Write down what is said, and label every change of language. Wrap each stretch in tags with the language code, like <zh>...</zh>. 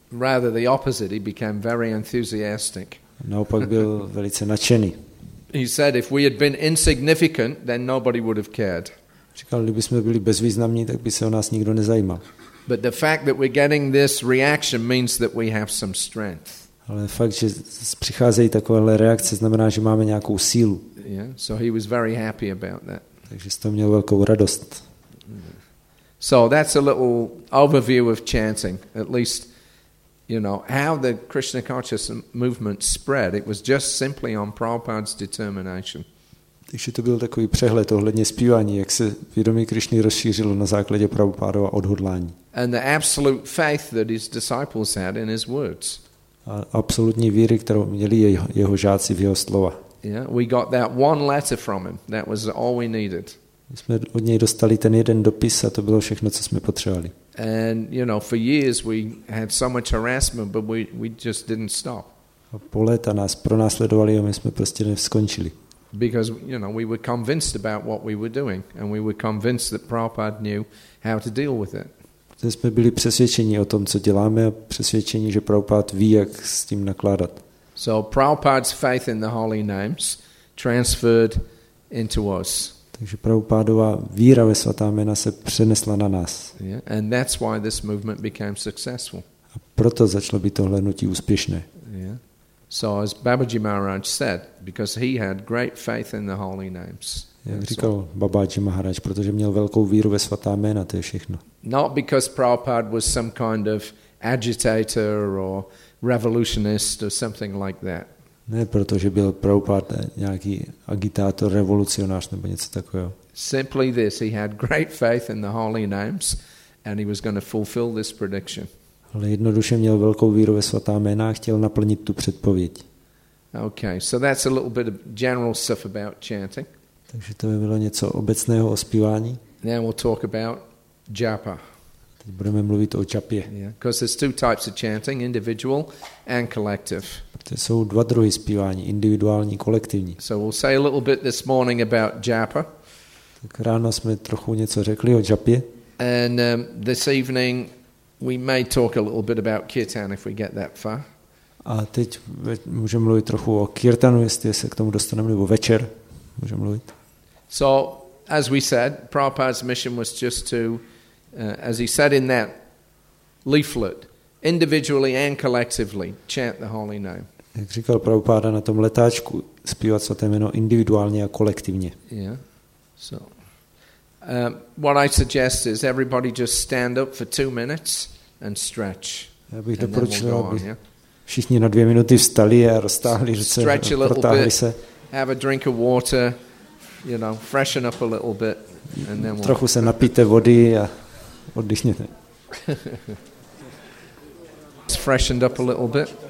<en>Rather the opposite, he became very enthusiastic.</en> <cs>Naopak byl velice nadšený.</cs> <en>He said, if we had been insignificant, then nobody would have cared.</en> <cs>Říkal, kdyby jsme byli bezvýznamní, tak by se o nás nikdo nezajímal.</cs> <en>But the fact that we're getting this reaction means that we have some strength.</en> <cs>Ale fakt, že přicházejí takovéhle reakce, znamená, že máme nějakou sílu.</cs> <en>Yeah, so he was very happy about that.</en> <cs>Takže z toho měl velkou radost.</cs> <en>So that's a little overview of chanting. At least, you know, how the Krishna consciousness movement spread. It was just simply on Prabhupada's determination.</en> <cs>Takže to byl takový přehled ohledně zpívání, jak se vědomí Krišny rozšířilo na základě Prabhupádova odhodlání.</cs> <en>And the absolute faith that his disciples had in his words.</en> <cs>A absolutní víry, kterou měli jeho žáci v jeho slova.</cs> <en>Yeah, we got that one letter from him. That was all we needed.</en> <cs>My jsme od něj dostali ten jeden dopis a to bylo všechno, co jsme potřebovali.</cs> <en>And you know, for years we had so much harassment, but we just didn't stop.</en> <cs>A po léta nás pronásledovali a my jsme prostě neskončili.</cs> <en>Because you know, we were convinced about what we were doing and we were convinced that Prabhupada knew how to deal with it.</en> <cs>Protože jsme byli přesvědčeni o tom, co děláme, a přesvědčeni, že Prabhupada ví, jak s tím nakládat.</cs> <en>So Prabhupada's faith in the holy names transferred into us.</en> <cs>Takže Prabhupádova víra ve svatá jména se přenesla na nás.</cs> <en>Yeah, and that's why this movement became successful.</en> <cs>A proto začalo být tohle hnutí úspěšné.</cs> <en>Yeah. So as Babaji Maharaj said, because he had great faith in the holy names.</en> <cs>Jak říkal Babaji Maharaj, protože měl velkou víru ve svatá jména, to je všechno.</cs> <en>Not because Prabhupada was some kind of agitator or revolutionist or something like that.</en> <cs>Ne, protože byl Prabhupada nějaký agitátor, revolucionář nebo něco takového.</cs> <en>Simply this, he had great faith in the holy names and he was going to fulfill this prediction.</en> <cs>Ale jednoduše měl velkou víru ve svatá jména a chtěl naplnit tu předpověď.</cs> <en>Okay, so that's a little bit of general stuff about chanting.</en> <cs>Takže to by bylo něco obecného o zpívání.</cs> <en>Now we'll talk about japa.</en> <cs>Teď budeme mluvit o japě.</cs> <en>Yeah, because there's two types of chanting, individual and collective.</en> <cs>Protože jsou dva druhy zpívání, individuální, kolektivní.</cs> <en>So we'll say a little bit this morning about japa.</en> <cs>Tak ráno jsme trochu něco řekli o japě.</cs> <en>And this evening we may talk a little bit about kirtan if we get that far.</en> <cs>A teď můžeme mluvit trochu o kirtanu, jestli se k tomu dostaneme, nebo večer. Můžeme mluvit.</cs> <en>So, as we said, Prabhupada's mission was just to, as he said in that leaflet, individually and collectively chant the holy name.</en> <cs>Jak říkal Prabhupada na tom letáčku, zpívat svaté jméno individuálně a kolektivně.</cs> <en>Yeah. So, what I suggest is everybody just stand up for 2 minutes and stretch.</en> <cs>Já bych doporučil, aby všichni na 2 minuty vstali a roztáhli ruce, protáhli se.</cs> <en>Have a drink of water, you know, freshen up a little bit, and then we'll...</en> <cs>Trochu se napijte vody a oddychněte.</cs> <en>It's freshened up a little bit.</en>